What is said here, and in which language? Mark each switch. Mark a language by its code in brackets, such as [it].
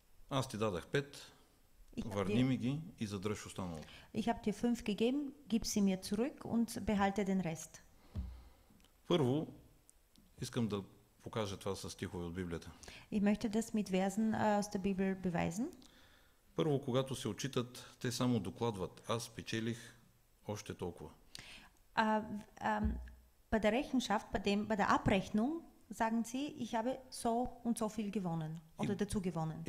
[bg] Аз ти дадах 5, върни ми ги и задръж останало. [de] Ich habe dir 5 gegeben, gib sie mir zurück und behalte den Rest. [bg] Първо, искам да покажа това с стихове от Библията. [de] Ich möchte das mit Versen aus der Bibel beweisen. [bg] Първо, когато се отчитат, те само докладват. Аз печелих още толкова. [de] Bei der Rechenschaft, bei der Abrechnung, sagen sie, ich habe so und so viel gewonnen oder dazu gewonnen.